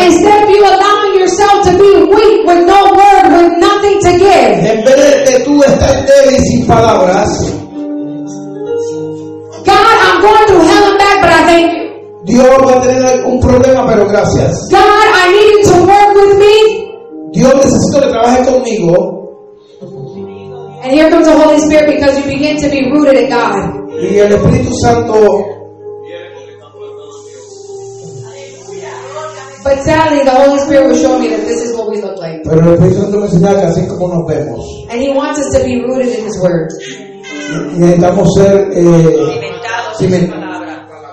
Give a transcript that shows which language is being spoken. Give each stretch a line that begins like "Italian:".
English: instead of you allowing yourself to be weak with no word, with nothing to give,
Spanish: en vez de tú estar débil sin palabras,
English: God, I'm going through hell and back, but I thank you.
Spanish: Dios va a tener un problema, pero gracias.
English: God, I need you to work with me.
Spanish: Dios, necesito que trabaje conmigo.
English: And here comes the Holy Spirit because you begin to be rooted in God.
Spanish: Y el Espíritu Santo.
English: But sadly, the Holy Spirit will show me that this is what we look like.
Spanish: Pero el Espíritu Santo me enseña que así es como nos vemos.
English: And He wants us to be rooted in His Word.
Spanish: Y necesitamos ser cimentados en Su palabra.